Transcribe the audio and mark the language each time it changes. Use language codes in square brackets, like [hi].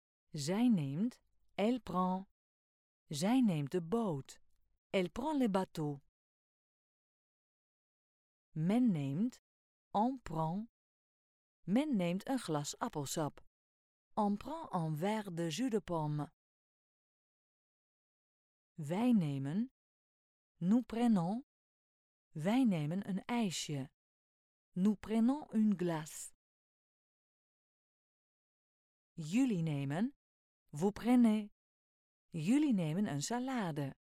[nl] Zij neemt, [fr] elle prend, [nl] zij neemt de boot. [fr] Elle prend le bateau. [nl] Men neemt, [fr] on prend. [nl] Men neemt een glas appelsap. [fr] On prend un verre de jus de pomme. [nl] Wij nemen, [fr] nous prenons. [nl] Wij nemen een ijsje. [fr] Nous prenons une glace. [nl] Jullie nemen, [fr] vous prenez. [nl] Jullie nemen een salade.